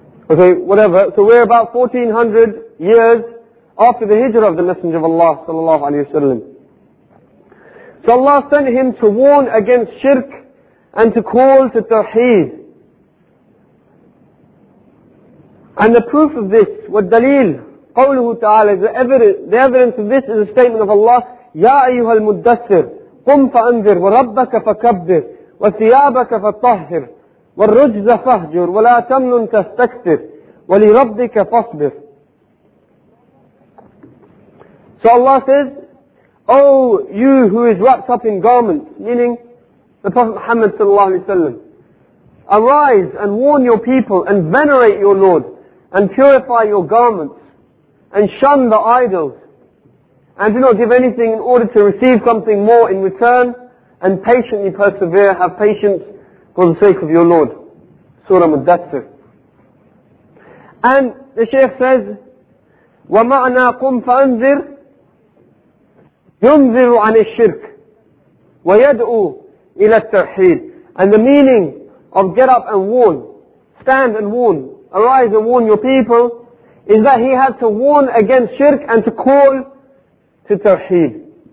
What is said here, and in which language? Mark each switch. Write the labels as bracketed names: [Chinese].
[English] Okay, whatever. So we're about 1400 years after the hijrah of the Messenger of Allah sallallahu alayhi wa sallam. So Allah sent him to warn against shirk and to call to tawheed. And the proof of this, [Arabic] wad-dalil, قوله تعالى, [English] the evidence of this is a statement of Allah, [Arabic] يَا أَيُّهَا الْمُدَّثِّرُ قُمْ فَأَنذِرْ وَرَبَّكَ فَكَبِّرْ وَثِيَابَكَ فَطَّهِّرْ وَالرُّجْزَ فَهْجُرْ وَلَا تَمْنُنْ تَسْتَكْثِرْ وَلِرَبِّكَ فَاصْبِرْ. [English] So Allah says, oh, you who is wrapped up in garments, meaning The Prophet Muhammad sallallahu alayhi wa sallam. Arise and warn your people and venerate your Lord and purify your garments and shun the idols and do not give anything in order to receive something more in return and patiently persevere, have patience for the sake of your Lord. Surah Muddathir. And the Shaykh says, [Arabic] وَمَعْنَا قُمْ فَأَنْذِرْ يُنْذِرُ عَنِ الشِّرْكِ وَيَدْعُوا إِلَى التَّرْحِيدِ. [English] And the meaning of get up and warn, stand and warn, arise and warn your people, is that he had to warn against shirk and to call to tawheed.